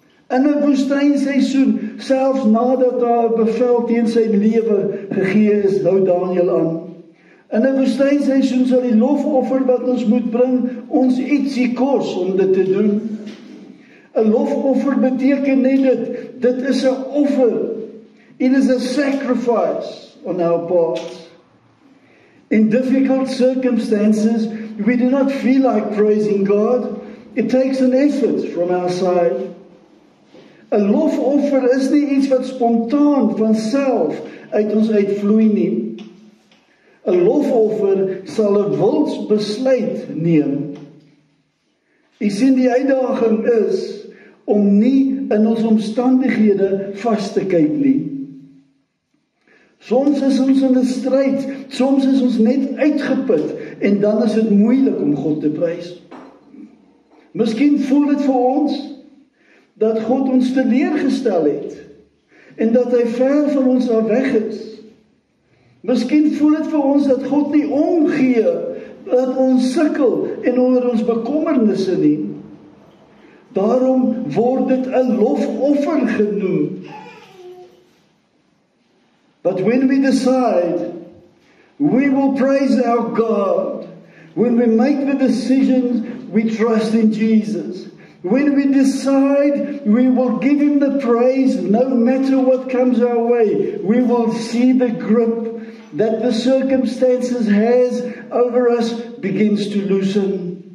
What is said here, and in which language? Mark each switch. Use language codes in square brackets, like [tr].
[af] In 'n woestynseisoen, selfs nadat daar 'n bevel teen sy lewe gegee is, hou Daniël aan. In 'n woestynseisoen sal die lofoffer wat ons moet bring ons ietsie kos om dit te doen. 'n Lofoffer beteken net dit, dit is 'n offer. [en] It is a sacrifice on our part. In difficult circumstances, we do not feel like praising God. It takes an effort from our side. [af] A lofoffer is nie iets wat spontaan van self uit ons uitvloei nie. A lofoffer sal 'n wilsbesluit neem. U sien, die uitdaging is om nie in ons omstandighede vas te kyk nie. Soms is ons in 'n stryd, soms is ons net uitgeput en dan is dit moeilik om God te prys. Miskien voel dit vir ons dat God ons teleurgestel het en dat hy ver van ons af weg is. Miskien voel dit vir ons dat God nie omgee dat ons sukkel en onder ons bekommernisse nie. Daarom word dit 'n lofoffer genoem. [en] But when we decide we will praise our God, when we make the decisions we trust in Jesus, when we decide we will give Him the praise no matter what comes our way, we will see the grip that the circumstances has over us begins to loosen.